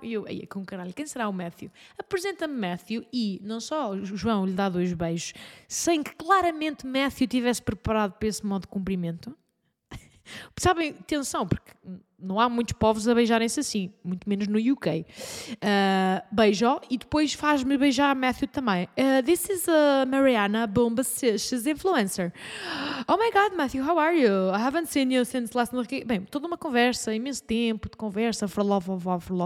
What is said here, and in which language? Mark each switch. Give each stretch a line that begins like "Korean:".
Portuguese: E eu, ai, com caralho, quem será o Matthew? Apresenta-me Matthew e não só o João lhe dá 2 beijos, sem que claramente Matthew tivesse preparado para esse modo de cumprimento. Sabem, atenção, porque não há muitos povos a beijarem-se assim, muito menos no UK. Beijo e depois faz-me beijar a Matthew também.
English: This is Mariana Bomba, she's influencer. Oh my God, Matthew, how are you? I haven't seen you since last night.
Portuguese: Bem, toda uma conversa, imenso tempo de conversa, frolovovó.